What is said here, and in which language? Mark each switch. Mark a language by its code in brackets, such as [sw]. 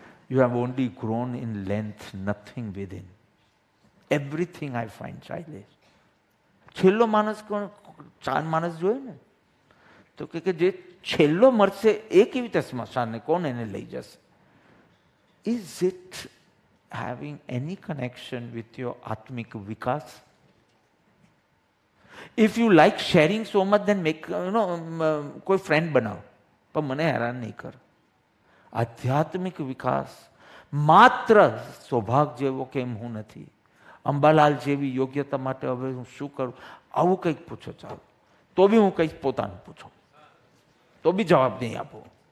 [en] You have only grown in length, nothing within. Everything I find childish. [gu] છેલ્લો માણસ કોણ? ચાર માણસ જોયે ને તો કે જે છેલ્લો મરશે એ કેવી રીતે સ્મશાનને કોણ એને લઈ જશે? [en] Is it having any connection with your આત્મિક વિકાસ? If you like sharing so much, then make, you know, [gu] કોઈ ફ્રેન્ડ બનાવ, પણ મને હેરાન નહીં કર. આધ્યાત્મિક વિકાસ માત્ર સ્વભાગ જેવો કેમ હું નથી? અંબાલાલ જેવી યોગ્યતા માટે હવે હું શું કરું? આવું કંઈક પૂછો ચાલો, તો બી હું કંઈક પોતાનું પૂછો, તો બી જવાબ નહીં આપો.